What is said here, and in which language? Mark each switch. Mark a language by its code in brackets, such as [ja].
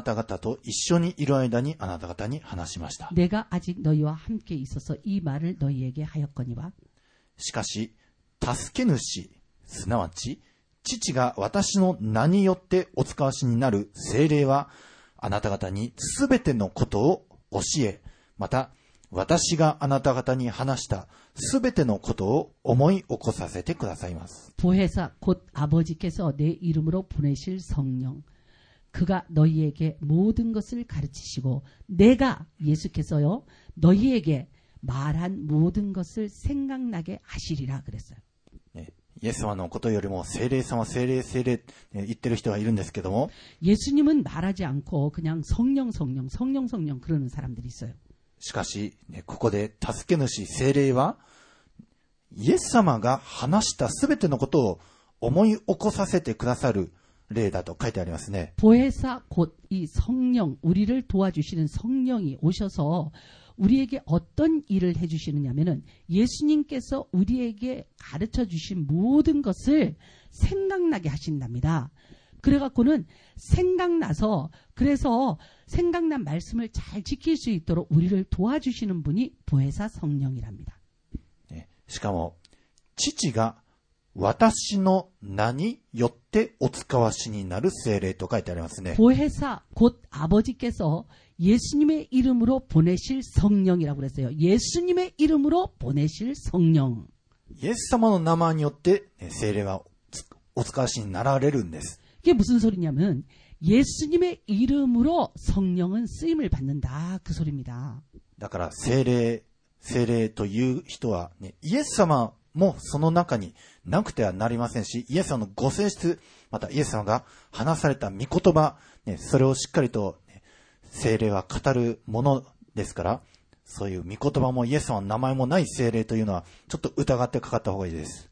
[ja] このことを私はあなた方と一緒にいる間にあなた方に話しました. [ko] 내가 아직 너희와 함께 있어서 이 말을 너희에게 하였거니와 [ja] しかし助け主 すなわち父が私の名によってお使わしになる聖霊はあなた方にすべてのことを教え、また私があなた方に話したすべてのことを思い起こさせてくださいます. [ko] 보혜사 곧 아버지께서 내 이름으로 보내실 성령 그가 너희에게 모든 것을 가르치시고 내가 예수께서요 너희에게 말한 모든 것을 생각나게 하시리라 그랬어요. [ja] 예수様のことよりも聖霊様聖霊聖霊言ってる人がいるんですけども [ko] 예수님은 말하지 않고 그냥 성령 성령 성령 성령 그러는 사람들이 있어요. [ja] しかし、ここで助け主聖霊はイエス様が話したすべてのことを思い起こさせてくださる例だと書いてありますね。 [ko] 보혜사곧이성령우리를도와주시는성령이오셔서우리에게어떤일을해주시느냐면은예수님께서우리에게가르쳐주신모든것을생각나게하신답니다그래갖고는생각나서그래서생각난말씀을잘지킬수있도록우리를도와주시는분이보혜사성령이랍니다 [ja] 네しかも父が私の名によってお使わしになる聖霊と書いてありますね [ko] 보혜사곧아버지께서예수님의이름으로보내실성령이라고그랬어요예수님의이름으로보내실성령 [ja] 예수様の名前によって聖霊はお使わしになられるんです [ko] 이게무슨소리냐면예수님의이름으로성령은쓰임을받는다그소리입니다 [ja] だから聖霊という人は、ね、イエス様もその中になくてはなりませんし、イエス様のご性質、またイエス様が話された御言葉、ね、それをしっかりと、ね、聖霊は語るものですから、そういう御言葉もイエス様の名前もない聖霊というのはちょっと疑ってかかった方がいいです。